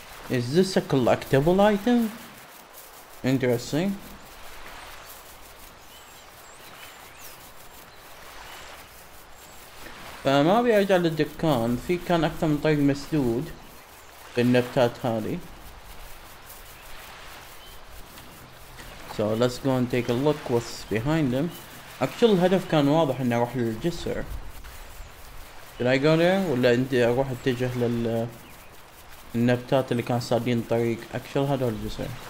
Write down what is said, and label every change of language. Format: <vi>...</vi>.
<en>Is this a collectible item? Interesting.</en> <ar>فما ابي ارجع للدكان، في كان اكثر من طريق مسدود بالنبتات هذي.</ar> <en>So let's go and take a look what's behind them.</en> <ar>Actually الهدف كان واضح اني اروح للجسر.</ar> <en>Did I go there</en> <ar>ولا انت اروح اتجه لل النبتات اللي كان صادين الطريق؟ Actually هذا الجسر.</ar>